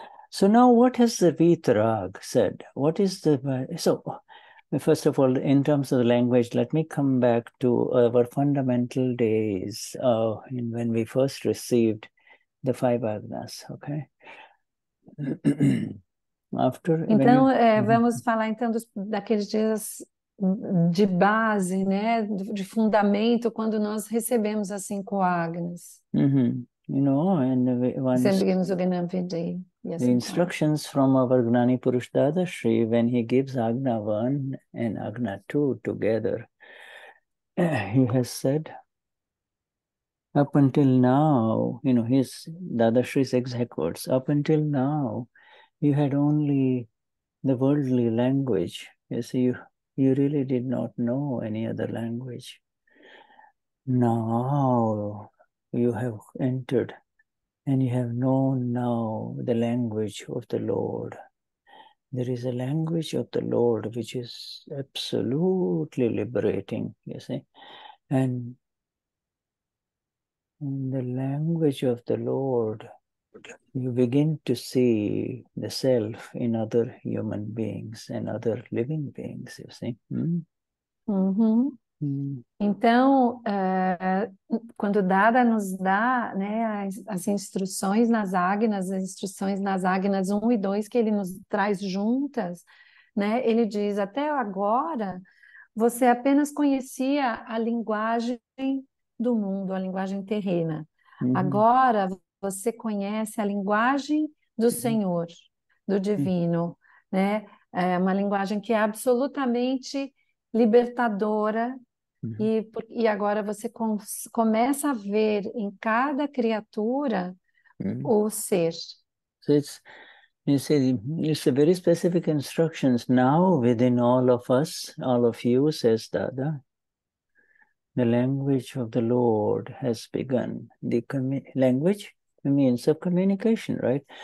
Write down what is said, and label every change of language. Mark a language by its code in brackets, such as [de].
[en] So now, what has the Vitarag said? What is the... So, first of all, in terms of the language, let me come back to our fundamental days when we first received the five agnas, okay? After, [pt] então, [en] you... [pt] vamos falar então daqueles dias de base, né? De fundamento, quando nós recebemos as cinco agnas. [en] Mm-hmm. You know, and once... [pt] Recebemos o Gnani Vidi. [en] Yes, the instructions from our Gnani Purush Dadashri, when he gives Agna 1 and Agna 2 together, he has said, up until now, you know, his Dadashri's exact words, up until now, you had only the worldly language. You see, you really did not know any other language. Now you have entered. And you have known now the language of the Lord. There is a language of the Lord which is absolutely liberating, you see. And in the language of the Lord, you begin to see the self in other human beings and other living beings, you see. Hmm? Mm-hmm. [pt] Então, quando Dada nos dá, né, as instruções nas Agnas, as instruções nas Agnas 1 e 2 que ele nos traz juntas, né, ele diz, até agora você apenas conhecia a linguagem do mundo, a linguagem terrena. Uhum. Agora você conhece a linguagem do Senhor, do Divino, né? É uma linguagem que é absolutamente libertadora. Uhum. E agora você começa a ver em cada criatura o ser. [en] So it's a very specific instructions now within all of us, all of you, says Dada. The language of the Lord has begun. The language means of communication, right?